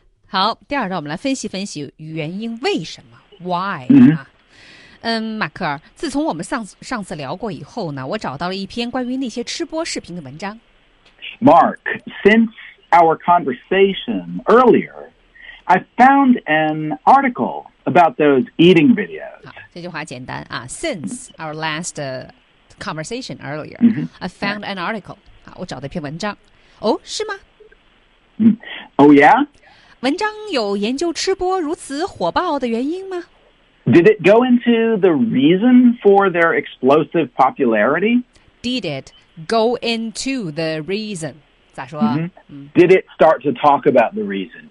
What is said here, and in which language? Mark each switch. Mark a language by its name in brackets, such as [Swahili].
[Chinese] 好，第二段我们来分析分析原因，为什么 ？Why？嗯，马克尔，自从我们上次聊过以后呢，我找到了一篇关于那些吃播视频的文章。 [English] Mark, since our conversation earlier, I found an article. About those eating videos. [Chinese] 这句话简单啊。 [English] Since our last conversation earlier,、 mm-hmm. I found an article. [Chinese] 好，我找到一篇文章。哦，是吗？ [English] 嗯。Oh yeah. [Chinese] 文章有研究吃播如此火爆的原因吗 [English] ？Did it go into the reason for their explosive popularity? Did it go into the reason? [Chinese] 咋说、 [English] mm-hmm. 嗯、？Did it start to talk about the reason?